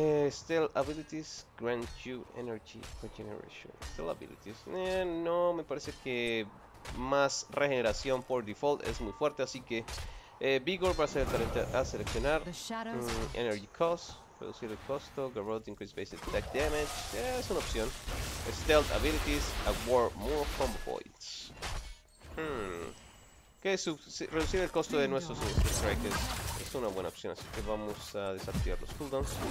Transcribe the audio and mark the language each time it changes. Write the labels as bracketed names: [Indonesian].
[English] Stealth Abilities grant you energy regeneration. Stealth Abilities. [Spanish] No, me parece que más regeneración por default es muy fuerte, así que Vigor va a ser el talento a seleccionar. [English] Energy cost, [Spanish] reducir el costo. [English] Garrote, increase base attack damage. [Spanish] Es una opción. [English] Stealth Abilities, award more combo points. [Spanish] Que reducir el costo de nuestros strikes es una buena opción, así que vamos a desactivar los cooldowns.